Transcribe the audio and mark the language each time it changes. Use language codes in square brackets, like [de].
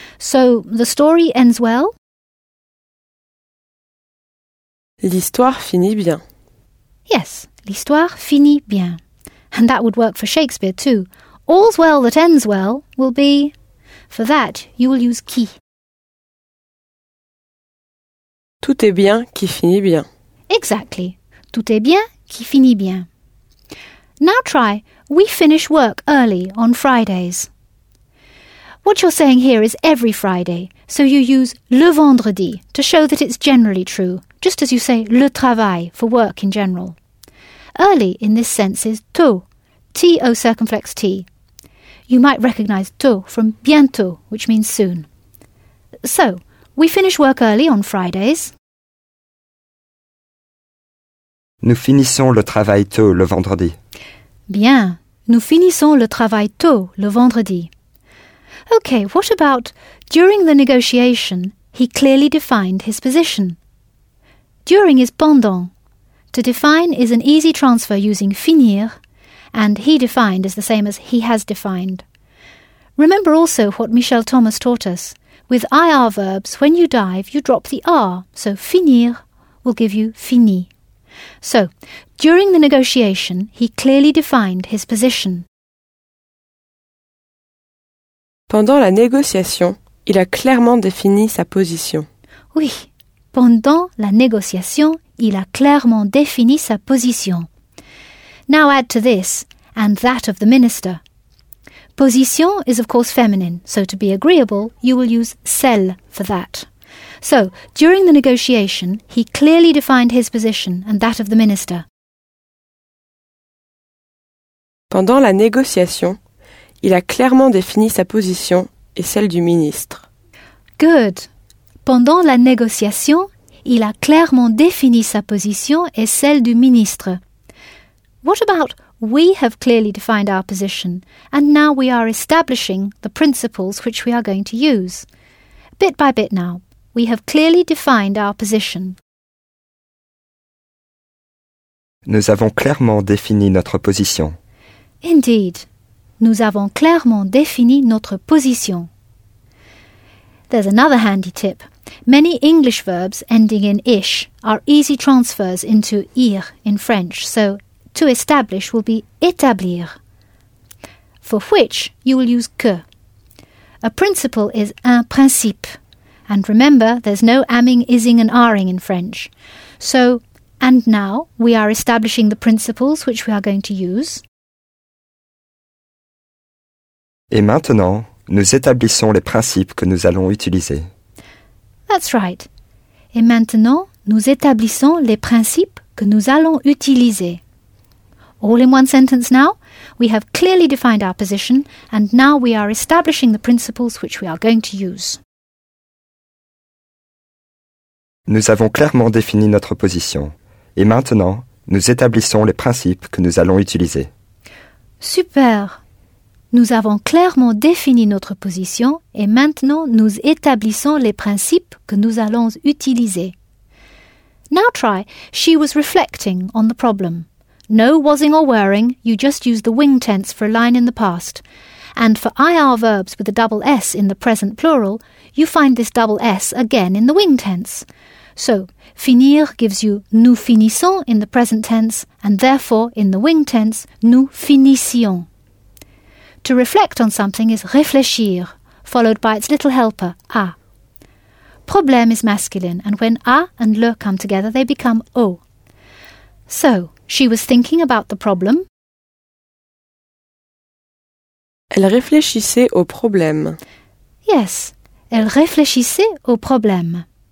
[en] So the story ends well? [fr] L'histoire finit bien. Yes, l'histoire finit bien. [en] And that would work for Shakespeare too. All's well that ends well will be... For that, you will use qui. [fr] Tout est bien qui finit bien. [en] Exactly. [fr] Tout est bien qui finit bien. [en] Now try, we finish work early on Fridays. What you're saying here is every Friday, so you use le vendredi to show that it's generally true, just as you say le travail for work in general. Early in this sense is tôt, T-O circumflex T. You might recognise tôt from bientôt, which means soon. So, we finish work early on Fridays. [fr] Nous finissons le travail tôt le vendredi. Bien, nous finissons le travail tôt le vendredi. [en] Okay, what about during the negotiation, he clearly defined his position. During is pendant. To define is an easy transfer using finir, and he defined is the same as he has defined. Remember also what Michel Thomas taught us. With IR verbs, when you dive, you drop the R, so finir will give you fini. So, during the negotiation, he clearly defined his position. [fr] Pendant la négociation, il a clairement défini sa position. Oui, pendant la négociation, il a clairement défini sa position. [en] Now add to this, and that of the minister. Position is of course feminine, so to be agreeable, you will use celle for that. So, during the negotiation, he clearly defined his position and that of the minister. [fr] Pendant la négociation, il a clairement défini sa position et celle du ministre. [en] Good. [fr] Pendant la négociation, il a clairement défini sa position et celle du ministre. [en] What about we have clearly defined our position and now we are establishing the principles which we are going to use? Bit by bit now. We have clearly defined our position. [fr] Nous avons clairement défini notre position. [en] Indeed. [fr] Nous avons clairement défini notre position. [en] There's another handy tip. Many English verbs ending in ish are easy transfers into ir in French, so to establish will be établir, for which you will use que. A principle is un principe. And remember, there's no amming, ising and aring in French. So, and now, we are establishing the principles which we are going to use. [fr] Et maintenant, nous établissons les principes que nous allons utiliser. [en] That's right. [fr] Et maintenant, nous établissons les principes que nous allons utiliser. [en] All in one sentence now. We have clearly defined our position, and now we are establishing the principles which we are going to use. [fr] Nous avons clairement défini notre position. Et maintenant, nous établissons les principes que nous allons utiliser. Super! Nous avons clairement défini notre position et maintenant nous établissons les principes que nous allons utiliser. [en] Now try. She was reflecting on the problem. No wasing or worrying, you just use the wing tense for a line in the past. And for IR verbs with a double S in the present plural, you find this double S again in the wing tense. So, finir gives you nous finissons in the present tense, and therefore, in the wing tense, nous finissions. To reflect on something is réfléchir, followed by its little helper, a. Problème is masculine, and when a and le come together, they become o. So, she was thinking about the problem. [fr] Elle réfléchissait au problème. Yes, elle réfléchissait au problème.